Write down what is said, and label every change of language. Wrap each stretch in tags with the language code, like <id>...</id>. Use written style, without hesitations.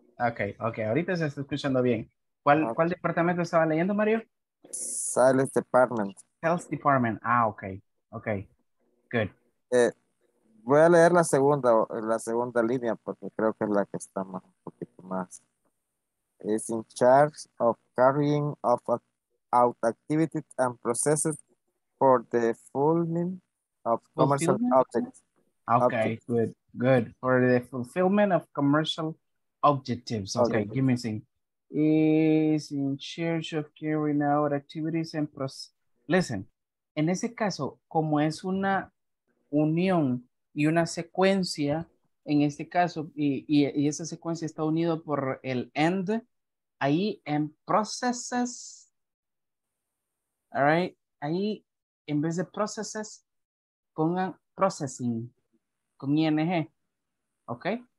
<es>Okay, okay. Ahorita se está escuchando bien. ¿Cuál departamento estaba leyendo, Mario?</es> <en>Sales Department. Sales Department. Ah, okay. Okay. Good.</en> <es>Voy a leer la segunda línea porque creo que es la que está más un poquito más.</es> <en>Is in charge of carrying out activities and processes for the fulfillment of commercial objectives. Okay, good, good. For the fulfillment of commercial objectives. Okay, give me a thing. Is in charge of carrying out activities and process.</en> <es>Listen, en ese caso, como es una unión y una secuencia, en este caso, y esa secuencia está unido por el end, ahí en processes,</es> <en>all right,</en> <es>ahí en vez de processes, pongan processing, con ING, ok?</es>